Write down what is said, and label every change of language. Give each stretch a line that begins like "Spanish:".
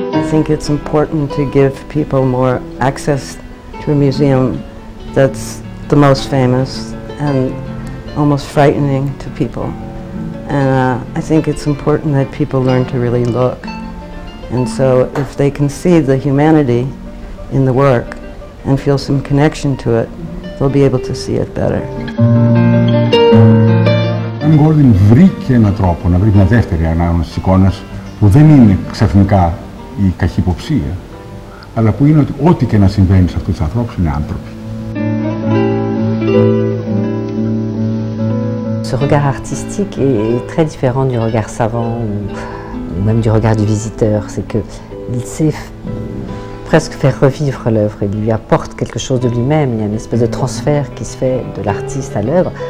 English: think it's important to give people more access to a museum that's the most famous and almost frightening to people. And I think it's important that people learn to really look. And so if they can see the humanity in the work and feel some connection to it, they'll be able to see it better.
Greek: Van Gogh βρήκε έναν τρόπο να βρει μια δεύτερη ανάγνωση εικόνας που δεν είναι ξαφνικά η καχυποψία, αλλά που είναι ότι ό,τι και να συμβαίνει σε αυτούς τους ανθρώπους είναι άνθρωποι.
French: Ce regard artistique est très différent du regard savant ou même du regard du visiteur. C'est que il sait presque faire revivre l'œuvre. Il lui apporte quelque chose de lui-même. Il y a une espèce de transfert qui se fait de l'artiste à l'œuvre.